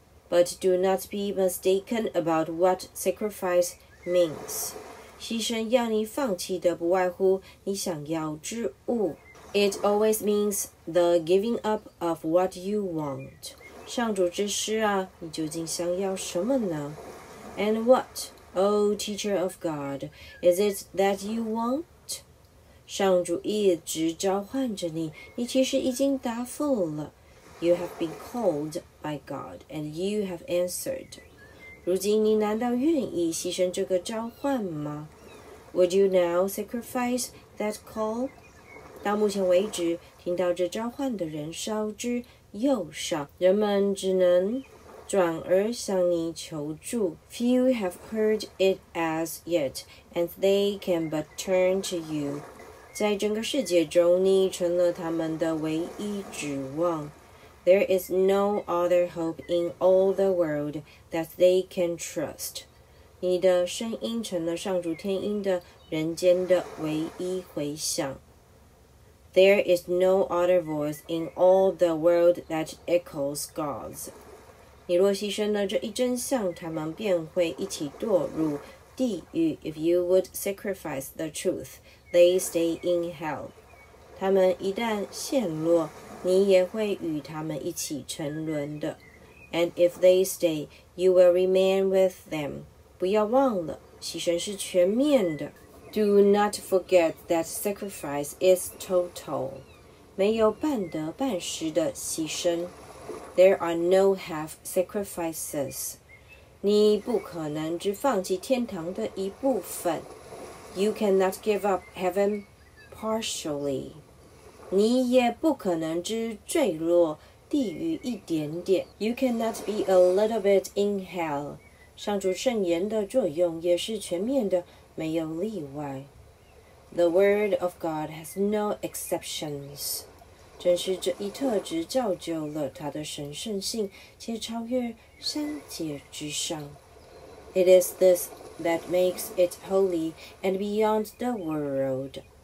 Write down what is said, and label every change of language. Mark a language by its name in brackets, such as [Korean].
[English] But do not be mistaken about what sacrifice means. [Chinese] 牺牲要你放弃的不外乎你想要之物。 [English] It always means the giving up of what you want. [Chinese] 上主之师啊，你究竟想要什么呢？ [English] And what, O teacher of God, is it that you want? [Chinese] 上主一直召唤着你，你其实已经答复了。 [English] You have been called by God, and you have answered. [Chinese] 如今你难道愿意牺牲这个召唤吗？ [English] Would you now sacrifice that call? [Chinese] 到目前为止，听到这召唤的人少之又少，人们只能转而向你求助。 [English] Few have heard it as yet, and they can but turn to you. [Chinese] 在整个世界中，你成了他们的唯一指望。 [English] There is no other hope in all the world that they can trust. [Chinese] 你的声音成了上主天音的人间的唯一回响。 [English] There is no other voice in all the world that echoes God's. [Chinese] 你若牺牲了这一真相，他们便会一起堕入地狱。 [English] If you would sacrifice the truth, they stay in hell. [Chinese] 他们一旦陷落，你也会与他们一起沉沦的。 [English] And if they stay, you will remain with them. [Chinese] 不要忘了，牺牲是全面的。 [English] Do not forget that sacrifice is total. [Chinese] 没有半得半失的牺牲。 [English] There are no half sacrifices. [Chinese] 你不可能只放弃天堂的一部分。 [English] You cannot give up heaven partially. [Chinese] 你也不可能只坠落地狱一点点。 [English] You cannot be a little bit in hell. [Chinese] 上主圣言的作用也是全面的。没有例外。 [English] The word of God has no exceptions. [Chinese] 正是这一特质造就了他的神圣性，且超越三界之上。 [English] It is this that makes it holy and beyond the world.